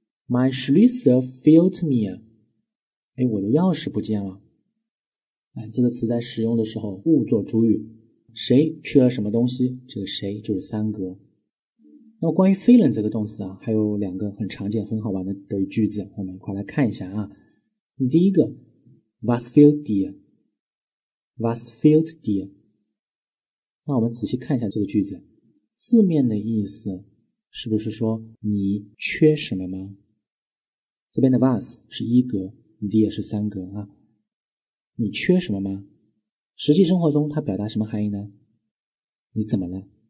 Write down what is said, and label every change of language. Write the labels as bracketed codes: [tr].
[de] My Schlüssel fehlt mir。 [zh] 哎，我的钥匙不见了。哎，这个词在使用的时候物做主语，谁缺了什么东西，这个谁就是三格。那么关于 fehlen 这个动词啊，还有两个很常见很好玩的德语句子，我们一块来看一下啊。 [de] 第一个 was fehlt dir? was fehlt dir? [zh] 那我们仔细看一下这个句子，字面的意思是不是说你缺什么吗？这边的 was 是一格，你也是三格啊，你缺什么吗？实际生活中它表达什么含义呢？你怎么了？